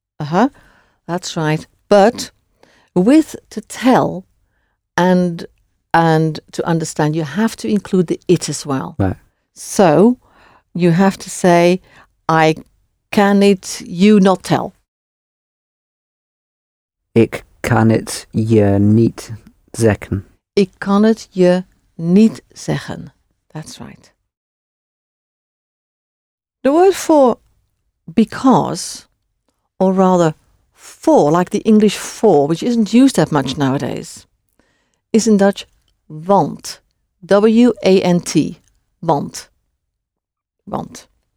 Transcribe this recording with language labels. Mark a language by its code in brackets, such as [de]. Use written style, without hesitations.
[en] Uh-huh. That's right. But with to tell and to understand, you have to include the it as well. Right. So you have to say, I can it you not tell. [nl] Ik kan het je niet zeggen. Ik kan het je niet zeggen. [en] That's right. The word for because, or rather for, like the English for, which isn't used that much nowadays, is in Dutch want, W-A-N-T, want, want.